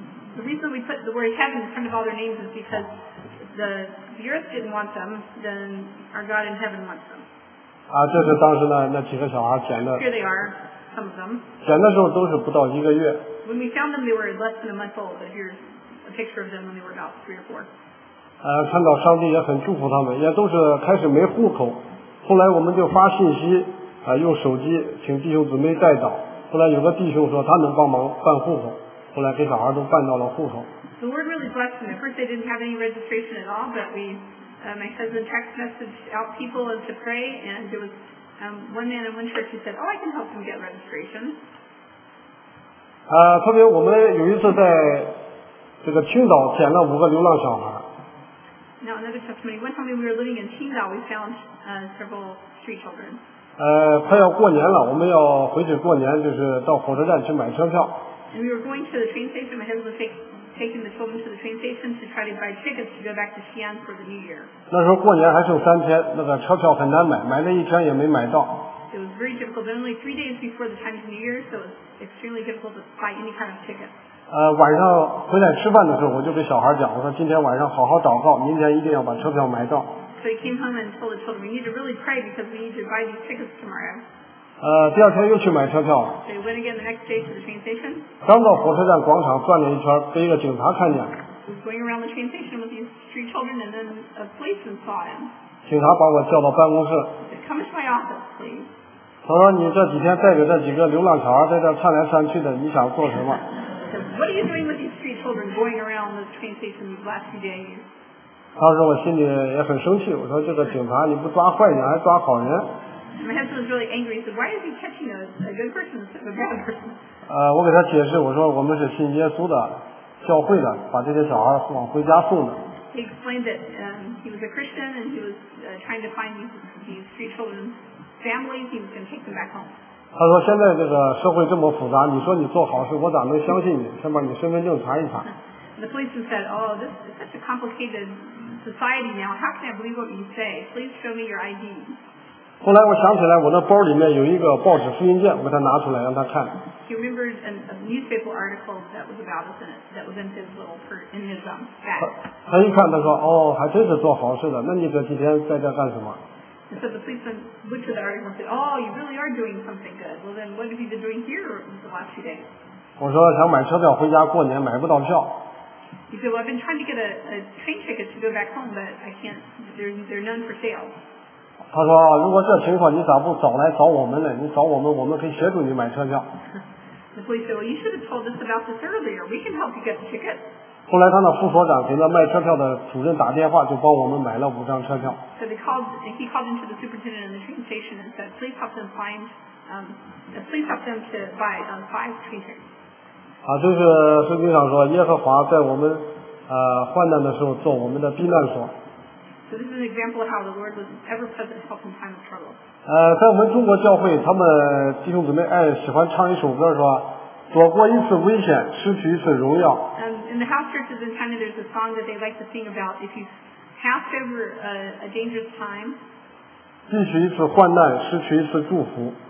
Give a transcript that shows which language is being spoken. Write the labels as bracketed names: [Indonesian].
[English] The reason we put the word heaven in front of all their names is because the earth didn't want them, then our God in heaven wants them. [Chinese] 这是当时呢那几个小孩捡的。 [English] Here they are, some of them. [Chinese] 捡的时候都是不到一个月。 [English] When we found them, they were less than a month old, but here's a picture of them when they were about three or four. [Chinese] 看到上帝也很祝福他们，也都是开始没户口，后来我们就发信息，用手机请弟兄姊妹代祷，后来有个弟兄说他能帮忙办户口。后来给小孩都办到了户口。 [English] The Lord really blessed them. At first, they didn't have any registration at all, but we, my husband text messaged out people to pray, and there was one man in one church who said, "Oh, I can help them get registration." [Chinese] 特别我们有一次在这个青岛捡了五个流浪小孩。 [English] Now another testimony. One time when we were living in Qingdao, we found several street children. [Chinese] 快要过年了，我们要回去过年，就是到火车站去买车票。 [English] And we were going to the train station. My husband was taking the children to the train station to try to buy tickets to go back to Xi'an for the New Year. [Chinese] 那时候过年还剩三天，那个车票很难买，买了一天也没买到。 [English] It was very difficult. Only 3 days before the Chinese New Year, so it was extremely difficult to buy any kind of ticket. [Chinese] 晚上回来吃饭的时候，我就给小孩讲，我说今天晚上好好祷告，明天一定要把车票买到。 [English] So he came home and told the children, "We need to really pray because we need to buy these tickets tomorrow." [Chinese] 第二天又去买车票了。 [English] They went again the next day to the train station. [Chinese] 刚到火车站广场转了一圈，被一个警察看见了。 [English] He was going around the train station with these street children, and then a policeman saw him. [Chinese] 警察把我叫到办公室。 [English] He said, "Come to my office, please." [Chinese] 他说：“你这几天带着这几个流浪小孩在这窜来窜去的，你想做什么？” [English] He said, "What are you doing with these street children going around the train station these last few days?" [Chinese] 当时我心里也很生气，我说：“这个警察，你不抓坏人，还抓好人。” [English] My husband was really angry. He said, "Why is he catching a good person instead of a bad person?" [Chinese] 我给他解释，我说我们是信耶稣的教会的，把这些小孩往回家送的。 [English] He explained that he was a Christian and he was trying to find these three children's families. He was going to take them back home. [Chinese] 他说现在这个社会这么复杂，你说你做好事，我咋能相信你？先把你身份证查一查。 [English] The policeman said, "Oh, this is such a complicated society now. How can I believe what you say? Please show me your ID." [Chinese] 后来我想起来我那包里面有一个报纸复印件，我把它拿出来让他看。 [English] He remembered a newspaper article that was about us in it, that was in his little in his bag. [Chinese] 他一看，他说：“哦，还真是做好事的。那你这几天在这干什么？” [English] And so the policeman looked at the article and said, "Oh, you really are doing something good. Well, then, what have you been doing here the last few days?" [Chinese] 我说想买车票回家过年，买不到票。 [English] He said, "Well, I've been trying to get a train ticket to go back home, but I can't. There are none for sale." [Chinese] 他说：“如果这情况，你咋不早来找我们呢？你找我们，我们可以协助你买车票。” [English] The police said, "Well, you should have told us about this earlier. We can help you get the ticket." [Chinese] 后来他那副所长给那卖车票的主任打电话，就帮我们买了五张车票。 [English] So they called. He called into the superintendent in the train station and said, "Please help them find. Please help them to buy five train tickets." [Chinese] 啊，就是圣经上说，耶和华在我们患难的时候做我们的避难所。 [English] So this is an example of how the Lord was ever present to help in time of trouble. [Chinese] 在我们中国教会，他们弟兄姊妹喜欢唱一首歌，说躲过一次危险，失去一次荣耀。 [English] In the house churches in China, there's a song that they like to sing about if you pass over a dangerous time. [Chinese] 避去一次患难，失去一次祝福。